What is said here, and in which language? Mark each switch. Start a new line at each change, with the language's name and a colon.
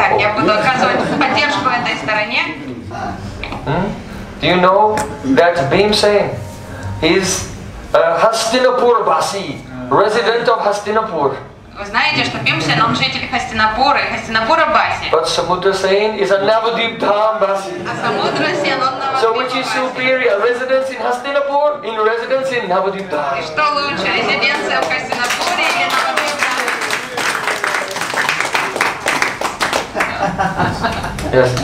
Russian: Так, я буду оказывать поддержку этой стороне.
English: Do you know that Bhimasen is a Hastinapurvasi, resident of Hastinapur?
Russian: Вы знаете, что Бхимасен, он житель Хастинапура, Хастинапура-баси.
English: But Samudrasen is a Navadvipa-баси.
Russian: А Самудрасен, он Navadvipa-баси.
English: So which is superior, residence in Hastinapur, in residence in Navadvipa?
Russian: И что лучше, резиденция в Хастинапуре или
English: Navadvipa? Yes.